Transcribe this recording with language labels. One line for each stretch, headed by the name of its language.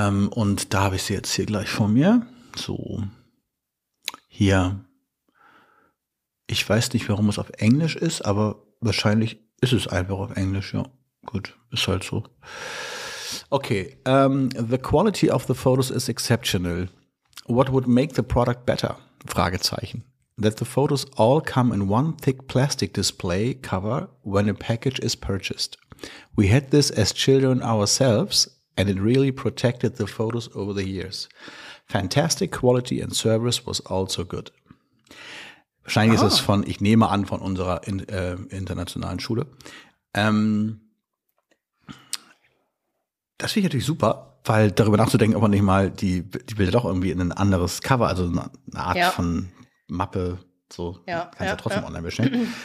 German: Und da habe ich sie jetzt hier gleich vor mir. So. Hier. Ich weiß nicht, warum es auf Englisch ist, aber wahrscheinlich ist es einfach auf Englisch. Ja, gut. Ist halt so. Okay.
English: The quality of the photos is exceptional. What would make the product better?
German: Fragezeichen.
English: That the photos all come in one thick plastic display cover when a package is purchased. We had this as children ourselves and it really protected the photos over the years. Fantastic quality and service was also good.
German: Wahrscheinlich ist es von, ich nehme an, von unserer internationalen Schule. Das finde ich natürlich super. weil darüber nachzudenken, ob man nicht mal die Bilder doch irgendwie in ein anderes Cover, also eine Art von Mappe, so kannst du ja trotzdem online bestellen.